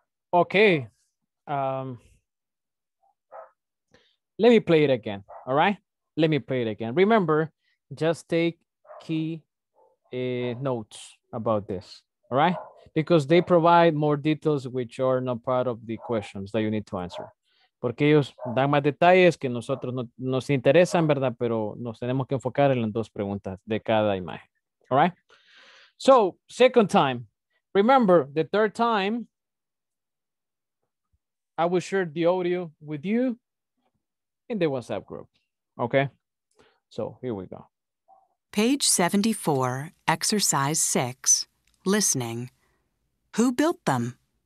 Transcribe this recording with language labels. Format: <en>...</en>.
<en>4. Okay. Let me play it again. All right, let me play it again. Remember, just take key notes about this, all right? Because they provide more details which are not part of the questions that you need to answer.</en> <es>Porque ellos dan más detalles que nosotros nos interesan, ¿verdad? Pero nos tenemos que enfocar en las dos preguntas de cada imagen,</es> <en>all right? So, second time. Remember, the third time, I will share the audio with you in the WhatsApp group. Okay, so here we go. Page 74, exercise 6, listening. Who built them?</en>